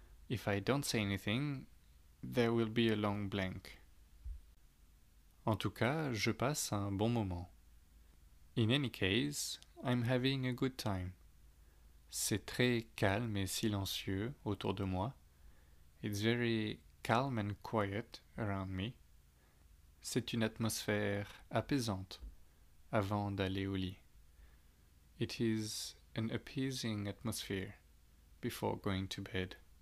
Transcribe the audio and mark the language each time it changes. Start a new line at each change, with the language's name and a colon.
English: If I don't say anything, there will be a long blank.
French: En tout cas, je passe un bon moment.
English: In any case, I'm having a good time.
French: C'est très calme et silencieux autour de moi.
English: It's very calm and quiet around me.
French: C'est une atmosphère apaisante avant d'aller au lit.
English: It is an appeasing atmosphere before going to bed.